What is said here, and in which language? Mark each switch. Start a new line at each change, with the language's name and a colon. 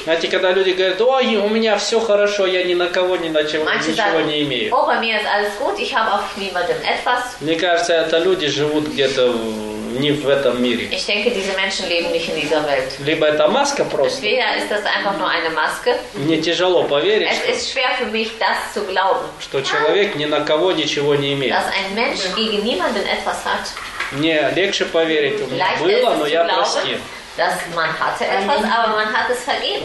Russian: Знаете, когда люди говорят, ой, у меня все хорошо, я ни на кого, ни на чего, ничего не имею.
German: Oh, bei mir ist alles gut, ich habe auf niemandem etwas.
Russian: Мне кажется, это люди живут где-то не в этом мире.
German: Ich denke, diese Menschen leben nicht in dieser Welt.
Russian: Либо это маска просто.
German: Entweder ist das einfach nur eine Maske.
Russian: Мне тяжело поверить,
German: es ist schwer für mich, das zu glauben.
Russian: Что человек ни на кого, ничего не имеет.
German: Dass ein Mensch gegen niemanden etwas hat.
Russian: Мне легче поверить, у меня было, но я простил.
German: Dass man hatte etwas, aber man hat es vergeben.